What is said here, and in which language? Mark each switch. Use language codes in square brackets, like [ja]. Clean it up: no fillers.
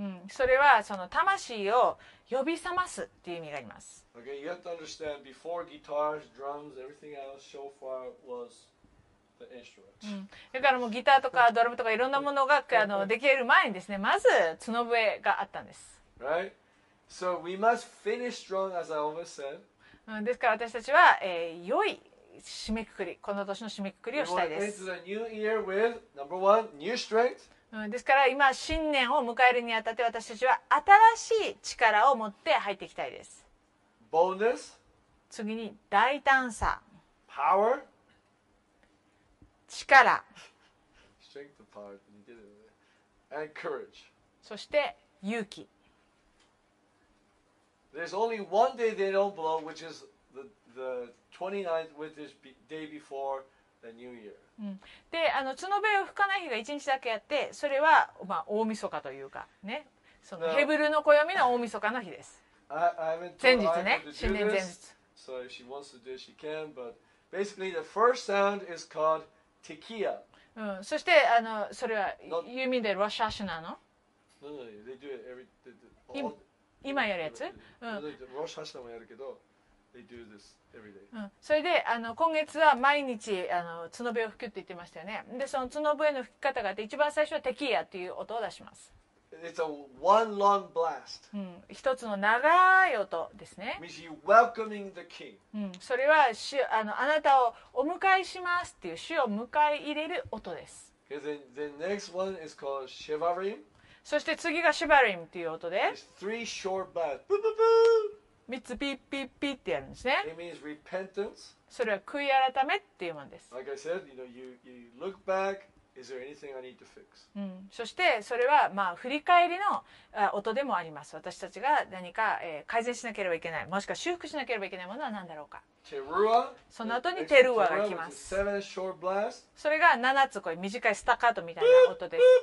[ja] それはその魂を呼び覚ますっていう意味があります。 [en] Okay, you have to understand before guitars, drums, everything else, shofar was the instrument. [ja] だからもうギターとかドラムとかいろんなものが出来る前にですね、まず角笛があったんです。 [en] Right? So we must finish strong, as I always said. [ja] ですから私たちは、良い締めくくり、この年の締めくくりをしたいです。 [en] new year with, number one, new strength. [ja] ですから今新年を迎えるにあたって私たちは新しい力を持って入っていきたいです。 [en] Boldness. [ja] 次に大胆さ。 [en] Power. [ja] 力。 [en] Strength and power. And courage. [ja] そして勇気。 [en] There's only one day they don't blow, which is the 29th, which is day before the new year. [ja] で、角笛を吹かない日が1日だけあって、それは、まあ、大晦日というかね、そのヘブルの暦の大晦日の日です。前日ね、新年前日。 [en] So if she wants to do it, she can. But basically, the first sound is called tequila. [ja] うん、そしてあのそれは有名でロシア酒なの？ [en] No, no, no, they do it every, they do all, [ja] 今やるやつ？ロシア酒もやるけど、 [en] they do this every day. [ja] うん、それであの今月は毎日あの角笛を吹くって言ってましたよね。でその角笛の吹き方があって、一番最初はテキーヤっていう音を出します。 [en] It's a one long blast. [ja] うん、一つの長い音ですね。 [en] Means you're welcoming the king. [ja] うん、それは主、あの、あなたをお迎えしますっていう主を迎え入れる音です。 [en] Okay, then next one is called shivarim. [ja] そして次がシバリムっていう音で。 [en] It's three short blasts. Boo, boo, boo. [ja] 三つピッピッピッってやるんですね。 [en] It means repentance. [ja] それは悔い改めっていうものです。 [en] Like I said, you know, you look back. Is there anything I need to fix? [ja] うん、そしてそれはまあ振り返りの音でもあります。私たちが何か改善しなければいけない、もしくは修復しなければいけないものは何だろうか。テルア、その後にテルアが来ます。 [en] 7 short blast. [ja] それが7つ、こういう短いスタカートみたいな音です。